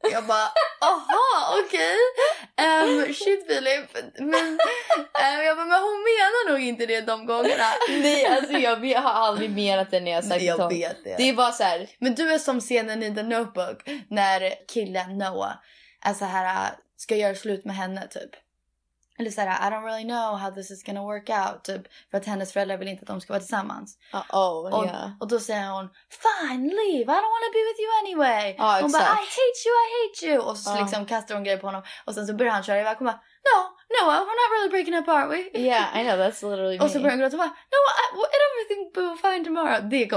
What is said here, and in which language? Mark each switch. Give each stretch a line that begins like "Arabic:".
Swedish: Jag bara... Aha, okej. Okay. Shit, Filip. Men hon menar nog inte det de gångerna. Nej, alltså jag har aldrig menat det när jag sagt det. Det är bara så här. Men du är som scenen i The Notebook när killen Noah är så här, ska göra slut med henne typ. Eller så här,
English: I don't really know how this is gonna work out.
Swedish: Typ, för att hennes föräldrar vill inte att de ska vara tillsammans. Och då säger hon,
English: fine, leave. I don't want to be with you anyway.
Swedish: Hon bara,
English: I hate you.
Swedish: Och så liksom kastar hon grejer på honom. Och sen så börjar han köra iväg. Hon bara, Noah,
English: we're not really breaking up, are we? Yeah, I know, that's literally me.
Swedish: Och så börjar hon gråta. Hon bara,
English: Noah, I don't think we'll find tomorrow.